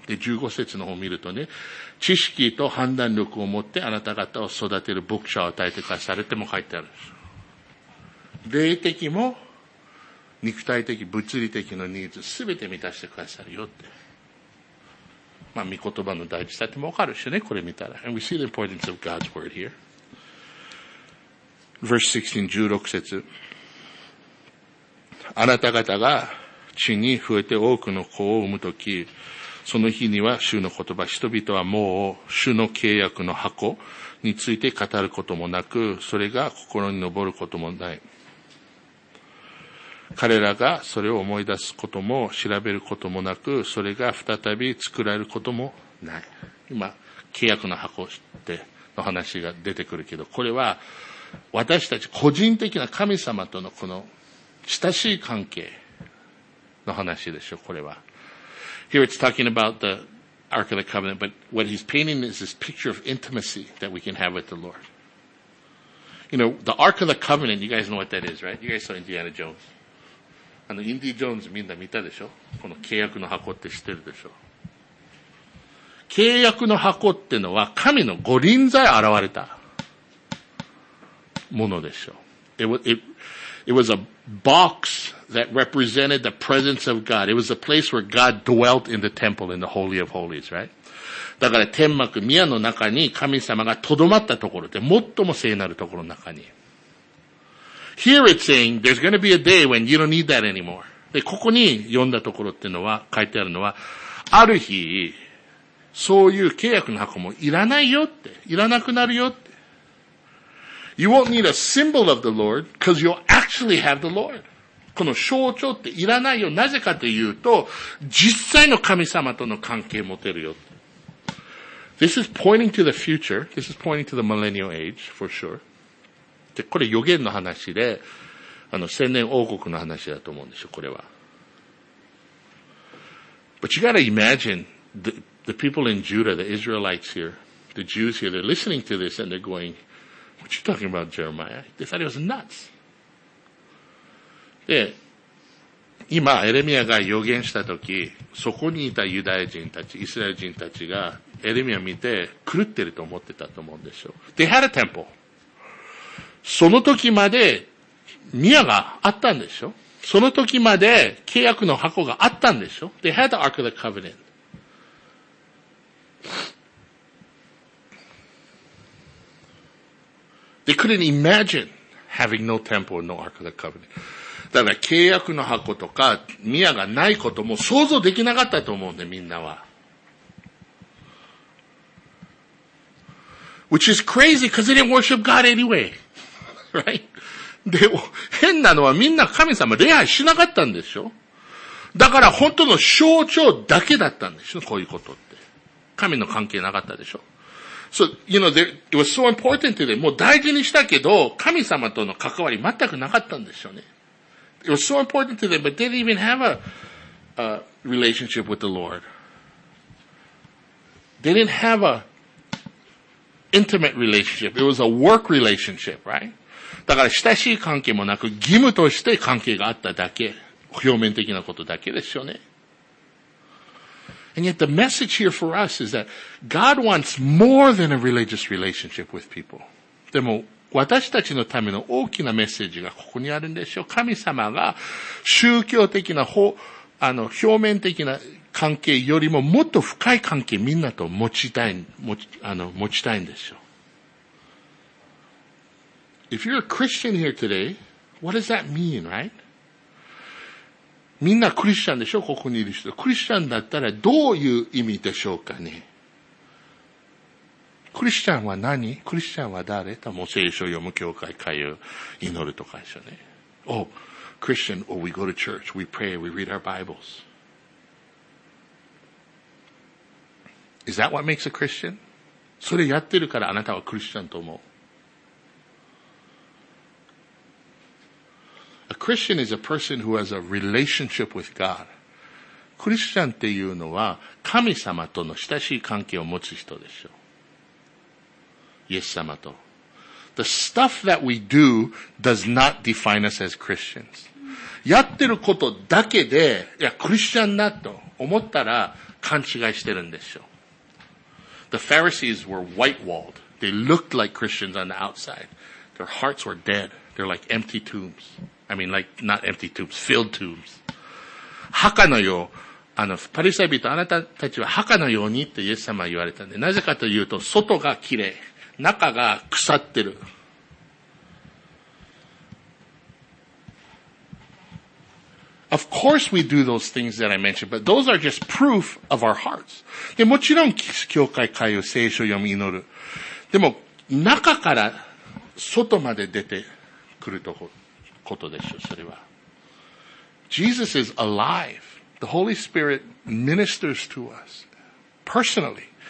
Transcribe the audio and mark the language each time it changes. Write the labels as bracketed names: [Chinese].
[Japanese] で、15節の方を見るとね、知識と判断力を持ってあなた方を育てる牧者を与えてくださるっても書いてあるんです。霊的も、肉体的、物理的のニーズ、すべて満たしてくださるよって。まあ、御言葉の大事さってもわかるしね、これ見たら。 [English] And we see the importance of God's word here. Verse 16, [Japanese] 16節。あなた方が地に増えて多くの子を産むとき、その日には主の言葉、人々はもう主の契約の箱について語ることもなく、それが心に昇ることもない。彼らがそれを思い出すことも調べることもなく、それが再び作られることもない。今、契約の箱っての話が出てくるけど、これは私たち個人的な神様とのこの親しい関係の話でしょ、これは。 [English] Here it's talking about the Ark of the Covenant, but what he's painting is this picture of intimacy that we can have with the Lord. You know, the Ark of the Covenant, you guys know what that is, right? You guys saw Indiana Jones. [Japanese] あの、インディ・ジョーンズみんな見たでしょ?この契約の箱って知ってるでしょ? 契約の箱ってのは神の御臨在現れたものでしょ。 [English] It was a box that represented the presence of God. It was a place where God dwelt in the temple in the Holy of Holies, right? [Japanese] だから天幕、宮の中に神様が留まったところで、最も聖なるところの中に。 [English] Here it's saying, there's going to be a day when you don't need that anymore. [Japanese] で、ここに読んだところっていうのは、書いてあるのは、ある日、そういう契約の箱もいらないよって、いらなくなるよって。 [English] You won't need a symbol of the Lord, because you'll actually have the Lord. [Japanese] この象徴っていらないよ。なぜかというと、実際の神様との関係持てるよって。 [English] This is pointing to the future. This is pointing to the millennial age, for sure. [Japanese] で、これ予言の話で、あの、千年王国の話だと思うんですよ、これは。 [English] But you gotta imagine the people in Judah, the Israelites here, the Jews here, they're listening to this and they're going, what you talking about, Jeremiah? They thought it was nuts. [Japanese] で、今、エレミアが予言したとき、そこにいたユダヤ人たち、イスラエル人たちが、エレミア見て、狂ってると思ってたと思うんですよ。 [English] They had a temple. [Japanese] その時まで、宮があったんでしょ? その時まで、契約の箱があったんでしょ? [English] They had the Ark of the Covenant. They couldn't imagine having no temple and no Ark of the Covenant. [Japanese] だから、契約の箱とか、宮がないことも想像できなかったと思うんで、みんなは。 [English] Which is crazy, because they didn't worship God anyway. [Japanese] Right? で、変なのはみんな神様礼拝しなかったんでしょ? だから本当の象徴だけだったんでしょ?こういうことって。神の関係なかったでしょ? [English] So, you know, it was so important to them. [Japanese] もう大事にしたけど、神様との関わり全くなかったんでしょうね。 [English] It was so important to them, but they didn't even have a relationship with the Lord. They didn't have a intimate relationship. It was a work relationship, right? [Japanese] だから親しい関係もなく義務として関係があっただけ、表面的なことだけですよね。 [English] And yet the message here for us is that God wants more than a religious relationship with people. [Japanese] でも私たちのための大きなメッセージがここにあるんでしょう。神様が宗教的な方、あの表面的な関係よりももっと深い関係みんなと持ちたいんでしょう。 [English] If you're a Christian here today, what does that mean, right? [Japanese] みんなクリスチャンでしょ?ここにいる人。クリスチャンだったらどういう意味でしょうかね? クリスチャンは何?クリスチャンは誰?多分聖書を読む教会、会を祈るとかでしょうね。 [English] Oh, Christian, oh, we go to church, we pray, we read our Bibles. Is that what makes a Christian? [Japanese] それやってるからあなたはクリスチャンと思う。A [English] Christian is a person who has a relationship with God. [Japanese] クリスチャンっていうのは神様との親しい関係を持つ人でしょう。イエス様と。 [English] The stuff that we do does not define us as Christians. [Japanese] やってることだけで、いや、クリスチャンだと思ったら勘違いしてるんでしょう。 [English] The Pharisees were white-walled. They looked like Christians on the outside. Their hearts were dead. They're like empty tombs. I mean, like, not empty tombs, filled tombs. [Japanese] 墓のよう、パリサイ人、あなたたちは墓のようにってイエス様は言われたんで、なぜかというと、外が綺麗、中が腐ってる。 [English] Of course we do those things that I mentioned, but those are just proof of our hearts. [Japanese] で、もちろん、教会会を聖書読み祈る。でも、中から外まで出てくるとことでしょ、それは。 [English] Jesus is alive. The Holy Spirit ministers to us personally.